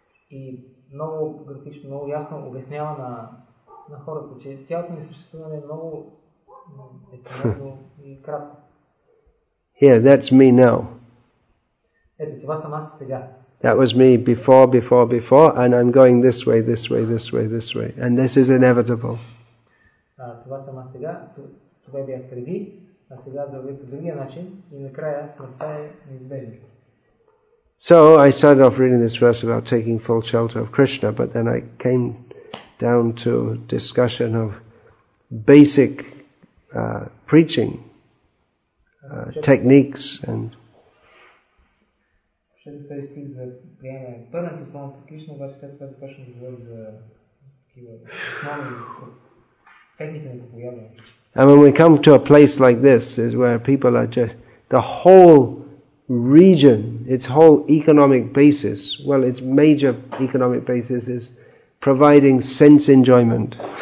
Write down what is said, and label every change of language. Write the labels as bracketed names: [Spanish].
[Bulgarian] И много графично, много ясно обяснява на хората, че цялото ни съществуване е много ефемерно и кратко. [English] Here, that's me now. [Bulgarian] Ето, това съм аз сега. [English] That was me before, and I'm going this way, and this is inevitable. [Bulgarian] Това съм аз сега, това бях преди. А сега завървам по другия начин и накрая смъртта е неизбежна. [English] So I started off reading this verse about taking full shelter of Krishna, but then I came down to discussion of basic preaching techniques and and when we come to a place like this is where people are just the whole region, its whole economic basis, well, its major economic basis is providing sense enjoyment.